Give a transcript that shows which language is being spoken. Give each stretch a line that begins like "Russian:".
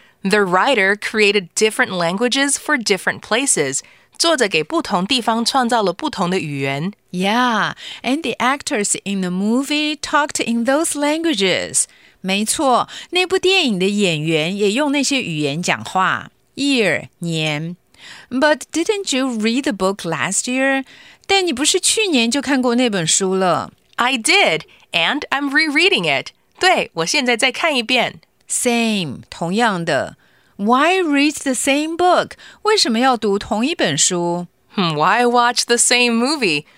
English: The writer created different languages for different places.
Chinese: 作者给不同地方创造了不同的语言。
English: Yeah, and the actors in the movie talked in those languages.
Chinese: 没错，那部电影的演员也用那些语言讲话。
English: Year,
Chinese: 年。
English: But didn't you read the book last year?
Chinese: 但你不是去年就看过那本书了。
English: I did, and I'm rereading it.
Chinese: 对，我现在再看一遍。
English: Same,
Chinese: 同样的。
English: Why read the same book?
Chinese: 为什么要读同一本书?
English: Why watch the same movie?